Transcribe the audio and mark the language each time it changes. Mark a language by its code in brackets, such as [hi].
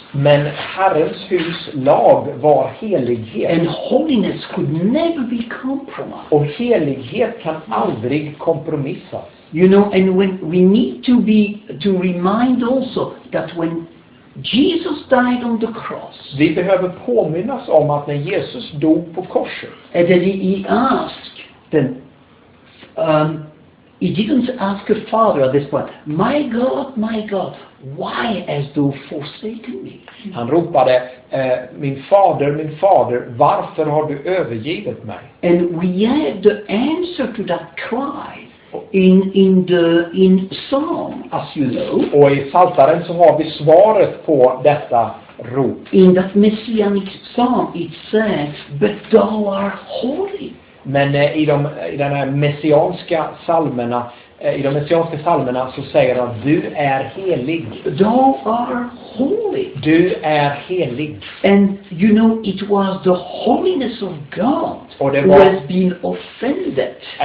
[sv] Men Herrens hus lag var helighet. [en] And holiness could never be compromised. [sv] Och helighet kan aldrig kompromissas. [en] You know, and when we need to be to remind also that when Jesus died on the cross. [sv] Vi behöver påminnas om att när Jesus dog på korset. [en] And then he asked them. He didn't ask a father at this point. My God, why hast thou forsaken me? [sv] Han ropade, min Fader, varför har du övergivit mig? [en] And we have the answer to that cry in Psalm, as you know. [sv] Och i Psaltaren så har vi svaret på detta rop. [en] In that messianic psalm, it says, "But thou art holy." [sv] Men i de messianska psalmerna så säger han, du är helig. [en] Thou are holy. [sv] Du är helig. [en] And you know, it was the holiness of God who has been offended.